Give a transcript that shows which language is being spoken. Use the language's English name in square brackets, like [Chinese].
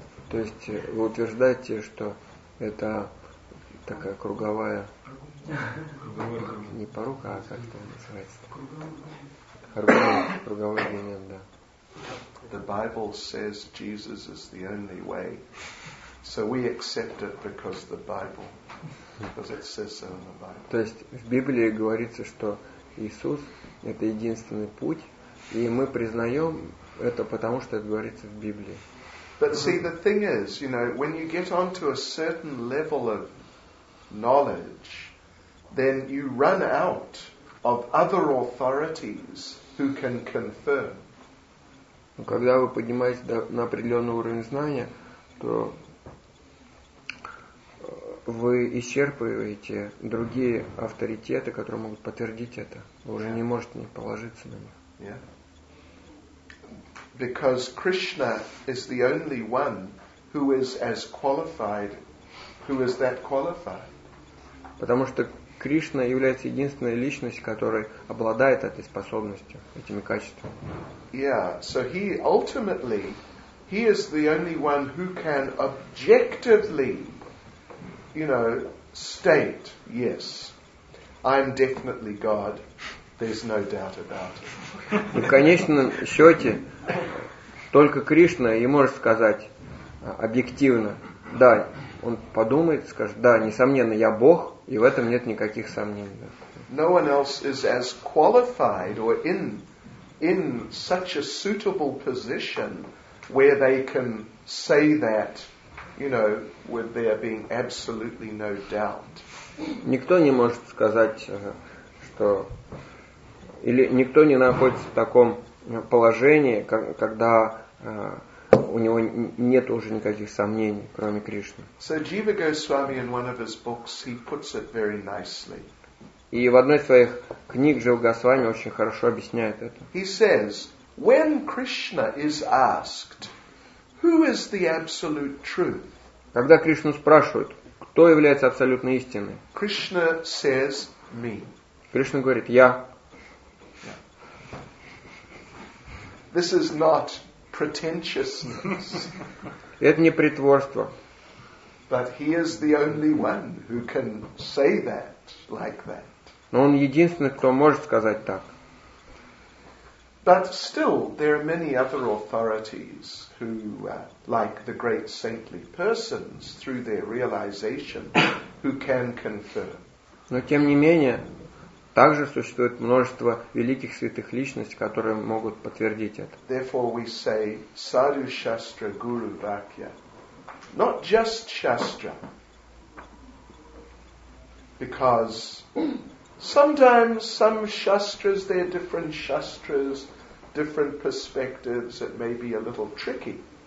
[Russian] То есть вы утверждаете, что это такая круговая, не порука, а как это называется? Круговой элемент, да. [English] The Bible says Jesus is the only way, so we accept it because the Bible, because it says so in the Bible. [Russian] То есть в Библии говорится, что Иисус — это единственный путь, и мы признаем это потому, что это говорится в Библии. [English] But see, the thing is, you know, when you get onto a certain level of knowledge, then you run out of other authorities who can confirm. [Russian] Когда вы поднимаетесь на определенный уровень знания, то вы исчерпываете другие авторитеты, которые могут подтвердить это. Вы уже не можете не положиться на них. [English] Because Krishna is the only one who is as qualified, who is that qualified. [Russian] Потому что Кришна является единственной личностью, которая обладает этой способностью, этими качествами. [English] Yeah, so he ultimately, he is the only one who can objectively, you know, state, yes, I'm definitely God, there's no doubt about it. [Russian] И в конечном счете, только Кришна и может сказать объективно, да, он подумает, скажет, да, несомненно, я Бог, и в этом нет никаких сомнений. [English] No one else is as qualified or in such a suitable position where they can say that, you know, with there being absolutely no doubt. [Russian] Никто не может сказать, что или никто не находится в таком положении, когда у него нет уже никаких сомнений, кроме Кришны. [English] So Jiva Goswami in one of his books, he puts it very nicely. [Russian] И в одной из своих книг Джива Госвами очень хорошо объясняет это. [English] He says, when Krishna is asked, who is the absolute truth? [Russian] Когда Кришну спрашивают, кто является абсолютной истиной? [English] Krishna says, me. [Russian] Кришна говорит, я. [English] This is not pretentiousness. [Russian] Это не притворство. [English] But he is the only one who can say that like that. [Russian] Но он единственный, кто может сказать так. [English] But still, there are many other authorities who, like the great saintly persons, through their realization, who can confirm. [Russian] Но тем не менее, также существует множество великих святых личностей, которые могут подтвердить это. [English] Therefore, we say [Sanskrit] sadhu shastra guru vakya, [English] not just shastra, because sometimes some shastras, they're different shastras, different perspectives, it may be a little tricky.